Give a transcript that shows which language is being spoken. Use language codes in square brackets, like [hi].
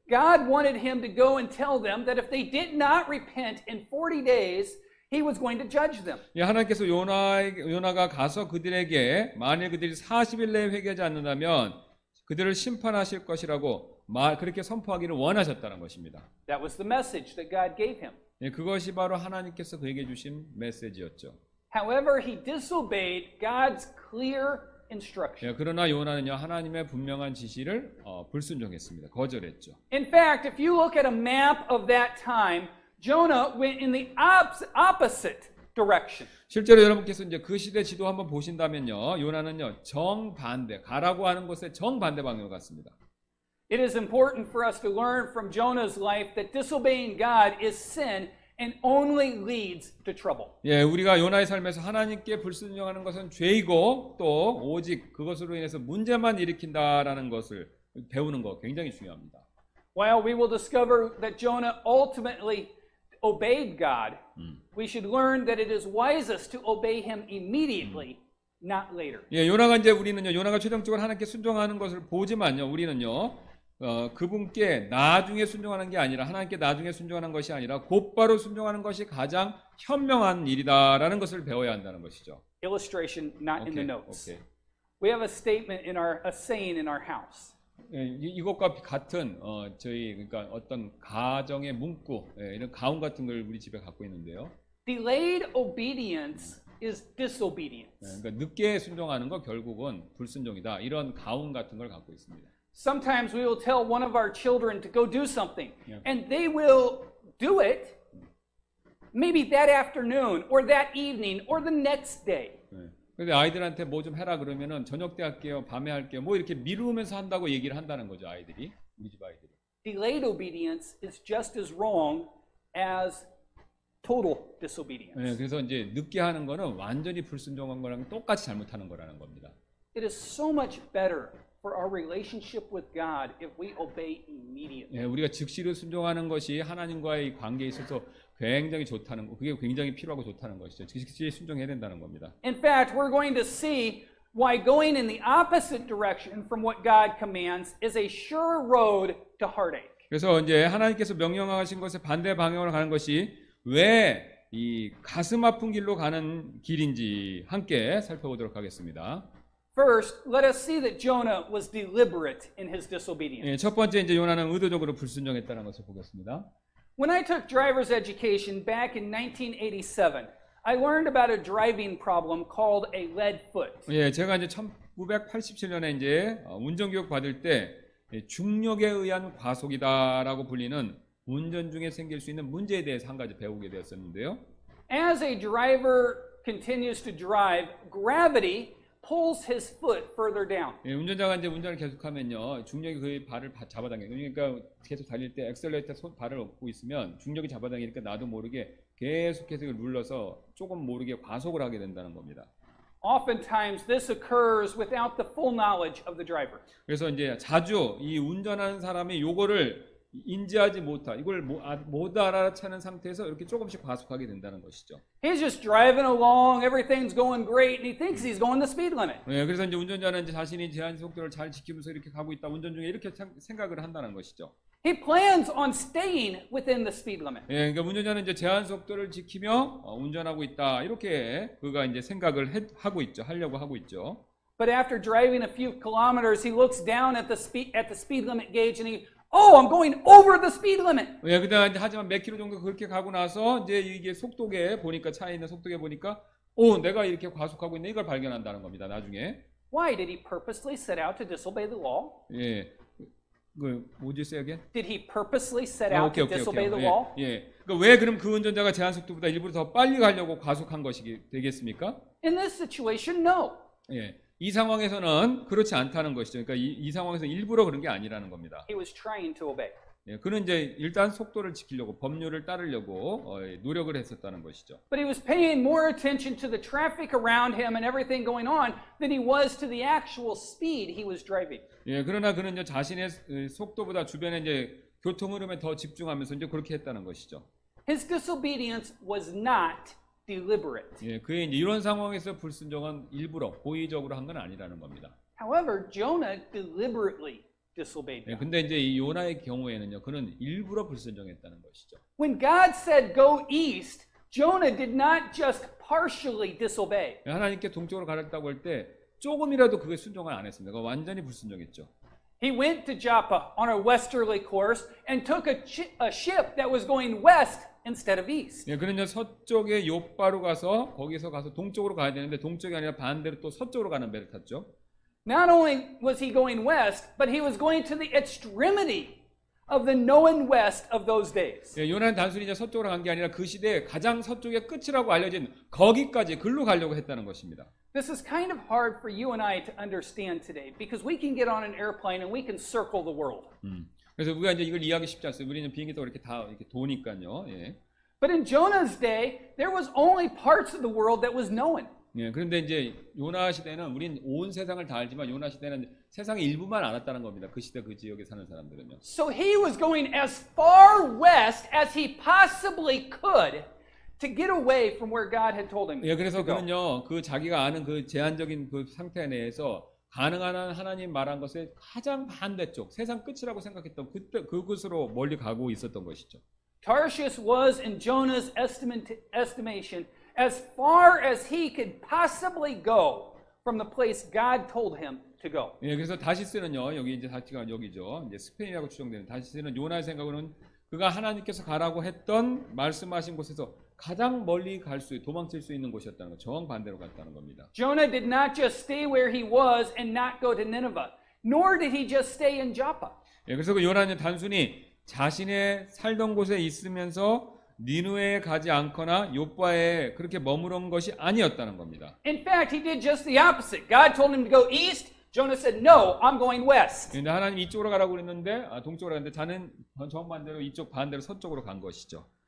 [en] God wanted him to go and tell them that if they did not repent in 40 days, he was going to judge them. [ko] 예, 하나님께서 요나가 가서 그들에게 만일 그들이 40일 내에 회개하지 않는다면 그들을 심판하실 것이라고 그렇게 선포하기를 원하셨다는 것입니다. [en] That was the message that God gave him. [ko] 예, 그것이 바로 하나님께서 그에게 주신 메시지였죠. [en] However, he disobeyed God's clear instruction. [ko] 예, 그러나 요나는요 하나님의 분명한 지시를 불순종했습니다. 거절했죠. [en] In fact, if you look at a map of that time, Jonah went in the opposite direction. [ko] 실제로 여러분께서 이제 그 시대 지도 한번 보신다면요, 요나는요 정반대 가라고 하는 곳에 정반대 방향으로 갔습니다. [en] It is important for us to learn from Jonah's life that disobeying God is sin and only leads to trouble. [ko] 예, 우리가 요나의 삶에서 하나님께 불순종하는 것은 죄이고 또 오직 그것으로 인해서 문제만 일으킨다라는 것을 배우는 거 굉장히 중요합니다. [en] While we will discover that Jonah ultimately obeyed God, we should learn that it is wisest to obey him immediately. Not later. [ko] 예, 요나가 이제 우리는요 요나가 최종적으로 하나님께 순종하는 것을 보지만요 우리는요 그분께 나중에 순종하는 게 아니라 하나님께 나중에 순종하는 것이 아니라 곧바로 순종하는 것이 가장 현명한 일이다라는 것을 배워야 한다는 것이죠. [en] Illustration not okay, in the notes. Okay. We have a statement in our a saying in our house. [ko] 예, 이것과 같은 저희 그러니까 어떤 가정의 문구 예, 이런 가훈 같은 걸 우리 집에 갖고 있는데요. [en] Delayed obedience. is disobedience. [ko] 그러니까 늦게 순종하는 거 결국은 불순종이다. 이런 가훈 같은 걸 갖고 있습니다. [en] Sometimes we will tell one of our children to go do something and they will do it maybe that afternoon or that evening or the next day. [ko] 근데 아이들한테 뭐 좀 해라 그러면은 저녁 때 할게요. 밤에 할게요. 뭐 이렇게 미루면서 한다고 얘기를 한다는 거죠, 아이들이. 우리 집 아이들이. [en] Delayed obedience is just as wrong as total disobedience. [ko] 네, 그래서 이제 늦게 하는 거는 완전히 불순종한 거랑 똑같이 잘못하는 거라는 겁니다. [en] It is so much better for our relationship with God if we obey immediately. [ko] 네, 우리가 즉시로 순종하는 것이 하나님과의 관계에 있어서 굉장히 좋다는 거, 그게 굉장히 필요하고 좋다는 것이죠. 즉시 순종해야 된다는 겁니다. [en] In fact, we're going to see why going in the opposite direction from what God commands is a sure road to heartache. [ko] 그래서 이제 하나님께서 명령하신 것에 반대 방향으로 가는 것이 왜 이 가슴 아픈 길로 가는 길인지 함께 살펴보도록 하겠습니다. [en] First, let us see that Jonah was deliberate in his disobedience. [ko] 예, 첫 번째 이제 요나는 의도적으로 불순종했다는 것을 보겠습니다. [en] When I took driver's education back in 1987, I learned about a driving problem called a lead foot. [ko] 예, 제가 이제 1987년에 이제 운전 교육 받을 때 중력에 의한 과속이다라고 불리는 운전 중에 생길 수 있는 문제에 대해서 한 가지 배우게 되었었는데요. [en] As a driver continues to drive, gravity pulls his foot further down. [ko] 예, 운전자가 이제 운전을 계속하면요, 중력이 그의 발을 잡아당겨요. 그러니까 계속 달릴 때 엑셀레이터 손 발을 얹고 있으면 중력이 잡아당기니까 나도 모르게 계속해서 눌러서 조금 모르게 과속을 하게 된다는 겁니다. [en] Oftentimes, this occurs without the full knowledge of the driver. [ko] 그래서 이제 자주 이 운전하는 사람이 요거를 인지하지 못하, 이걸 못 알아차는 상태에서 이렇게 조금씩 과속하게 된다는 것이죠. [en] He's just driving along, everything's going great, and he thinks he's going the speed limit. [ko] 네, 그래서 이제 운전자는 이제 자신이 제한 속도를 잘 지키면서 이렇게 가고 있다, 운전 중에 이렇게 생각을 한다는 것이죠. [en] He plans on staying within the speed limit. [ko] 예, 그러니까 운전자는 이제 제한 속도를 지키며 운전하고 있다. 이렇게 그가 이제 생각을 하고 있죠. 하려고 하고 있죠. [en] But after driving a few kilometers, he looks down at the speed limit gauge and he, "Oh, I'm going over the speed limit." [ko] 예, 그다음 이제 하지만 몇 킬로 정도 그렇게 가고 나서 이제 이게 속도계 보니까 차에 있는 속도계 보니까 "오, 내가 이렇게 과속하고 있네." 이걸 발견한다는 겁니다. 나중에. [en] Why did he purposely set out to disobey the law? [ko] 예. 그 뭐지 [en] say again? Did he purposely set out to disobey the law? [ko] 예. 예. 그러니까 왜 그럼 그 운전자가 제한 속도보다 일부러 더 빨리 가려고 과속한 것이 되겠습니까? [en] In this situation, no. [ko] 예. 이 상황에서는 그렇지 않다는 것이죠. 그러니까 이 상황에서 일부러 그런 게 아니라는 겁니다. [en] He was trying to obey. [ko] 예. 그는 이제 일단 속도를 지키려고 법률을 따르려고 노력을 했었다는 것이죠. [en] But he was paying more attention to the traffic around him and everything going on than he was to the actual speed he was driving. [ko] 예, 그러나 그는 이제 자신의 속도보다 주변의 이제 교통 흐름에 더 집중하면서 이제 그렇게 했다는 것이죠. [en] His disobedience was not deliberate. [ko] 예, 그의 이제 이런 상황에서 불순종은 일부러 고의적으로 한 건 아니라는 겁니다. [en] However, Jonah deliberately disobeyed. [ko] 예, 근데 이제 이 요나의 경우에는요, 그는 일부러 불순종했다는 것이죠. [en] When God said go east, Jonah did not just partially disobey. [ko] 예, 하나님께 동쪽으로 가겠다고 할 때 조금이라도 그게 순종을 안 했습니다. 완전히 불순종했죠. [en] He went to Joppa on a westerly course and took a ship that was going west instead of east. [ko] 예, 그러면 서쪽에 요파로 가서 거기서 가서 동쪽으로 가야 되는데 동쪽이 아니라 반대로 또 서쪽으로 가는 배를 탔죠. [en] Not only was he going west, but he was going to the extremity of the known west of those days. [ko] 예, 요나는 단순히 이제 서쪽으로 간 게 아니라 그 시대에 가장 서쪽의 끝이라고 알려진 거기까지 글로 가려고 했다는 것입니다. [en] This is kind of hard for you and I to understand today because we can get on an airplane and we can circle the world. [ko] 그래서 우리가 이제 이걸 이해하기 쉽지 않습니다. 우리는 비행기 타고 이렇게 다 이렇게 도니까요. 예. [en] But in Jonah's day, there was only parts of the world that was known. [ko] 예, 그런데 이제 요나 시대는 우린 온 세상을 다 알지만 요나 시대는 세상의 일부만 알았다는 겁니다. 그 시대 그 지역에 사는 사람들은요. [en] So he was going as far west as he possibly could to get away from where God had told him. [ko] 예, 그래서 그는요, 그 자기가 아는 그 제한적인 그 상태 내에서 가능한 한 하나님 말한 것의 가장 반대쪽, 세상 끝이라고 생각했던 그때 그곳으로 멀리 가고 있었던 것이죠. [en] Tarshish was in Jonah's estimation as far as he could possibly go from the place God told him to go. [ko] 예, 그래서 다시스는요, 여기 이제 다시가 여기죠. 이제 스페인이라고 추정되는 다시스는 요나의 생각으로는 그가 하나님께서 가라고 했던 말씀하신 곳에서 가장 멀리 갈 수, 도망칠 수 있는 곳이었다는 것, 정반대로 갔다는 겁니다. [en] Jonah did not just stay where he was and not go to Nineveh, nor did he just stay in Joppa. [ko] 예, 그래서 그 요나는 단순히 자신의 살던 곳에 있으면서 니느웨에 가지 않거나 요파에 그렇게 머무른 것이 아니었다는 겁니다. [en] In fact, he did just the opposite. God told him to go east. Jonah said, "No, I'm going west." [ko] 그런데 하나님 이쪽으로 가라고 그랬는데 동쪽으로 갔는데 자는 정반대로 이쪽 반대로 서쪽으로 간 것이죠.